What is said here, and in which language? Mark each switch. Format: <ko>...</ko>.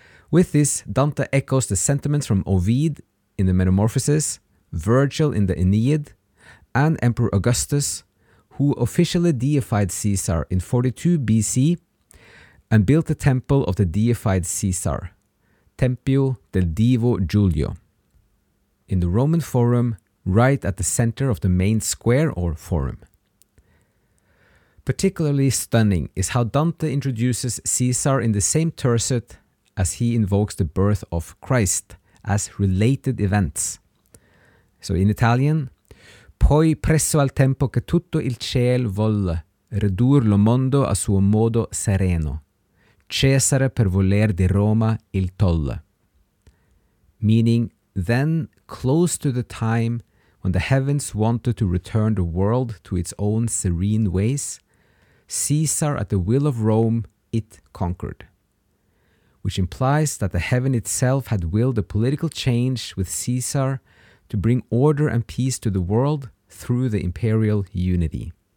<en>With this, Dante echoes the sentiments from Ovid in the Metamorphoses, Virgil in the Aeneid, and Emperor Augustus, who officially deified Caesar in 42 BC and built the temple of the deified Caesar, Tempio del Divo Giulio, in the Roman Forum, right at the center of the main square or forum. Particularly stunning is how Dante introduces Caesar in the same tercet as he invokes the birth of Christ as related events. So in Italian,</en> <it>poi presso al tempo che tutto il ciel volle ridur lo mondo a suo modo sereno, Cesare per voler di Roma il tolle.</it> <en>Meaning, then, close to the time when the heavens wanted to return the world to its own serene ways, Caesar, at the will of Rome, it conquered. Which implies that the heaven itself had willed a political change with Caesar to bring order and peace to the world through the imperial unity.</en>